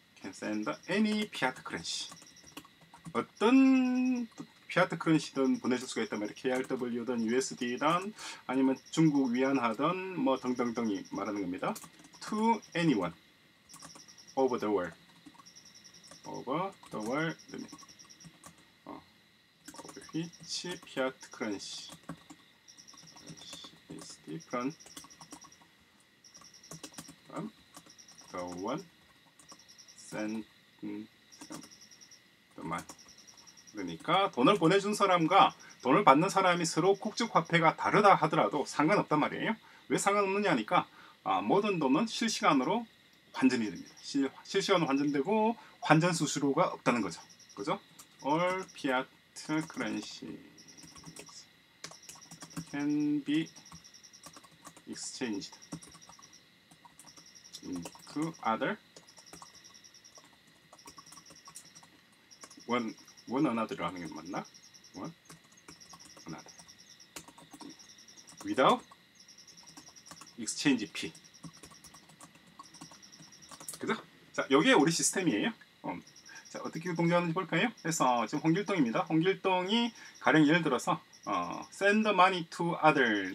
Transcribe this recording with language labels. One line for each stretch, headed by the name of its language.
English: can send any fiat currency.
Korean: 어떤 피아트 크런시든 보내줄 수가 있다면 이렇게 KRW든 USD든 아니면 중국 위안화든 뭐 등등등이 말하는 겁니다.
English: To anyone over the world. Over the world. Of which fiat currency is different from the one sent the money.
Korean: 그러니까 돈을 보내준 사람과 돈을 받는 사람이 서로 국적화폐가 다르다 하더라도 상관없단 말이에요. 왜 상관없느냐 하니까 모든 돈은 실시간으로 환전이 됩니다. 실시간으로 환전되고 환전 수수료가 없다는 거죠. 그죠?
English: All fiat currencies can be exchanged into other one. One another
Korean: 하는 게 맞나?
English: One another. Without exchange fee.
Korean: 그죠? 자, 여기에 우리 시스템이에요. 자, 어떻게 동작하는지 볼까요? 그래서 지금 홍길동입니다. 홍길동이 가령 예를 들어서
English: send money to other.